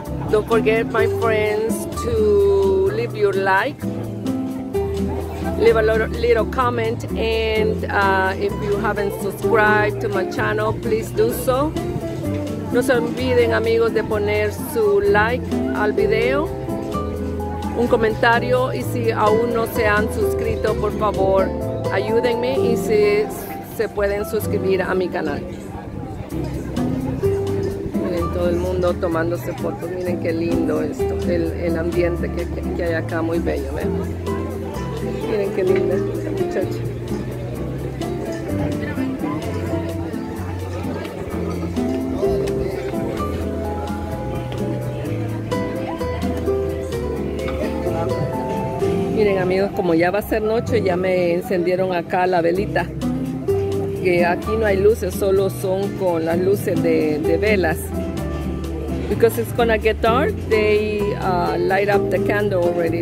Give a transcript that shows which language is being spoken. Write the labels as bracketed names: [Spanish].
[English] Don't forget, my friends, to leave your like, leave a little comment, and if you haven't subscribed to my channel, please do so. [Spanish] No se olviden, amigos, de poner su like al video, un comentario, y si aún no se han suscrito, por favor, ayúdenme y si se pueden suscribir a mi canal. Miren todo el mundo tomándose fotos, miren qué lindo esto, el ambiente que hay acá, muy bello, ¿ven? Miren qué linda muchacha. Miren, amigos, como ya va a ser noche, ya me encendieron acá la velita. Que aquí no hay luces, solo son con las luces de velas. [English] Because it's gonna get dark, they light up the candle already.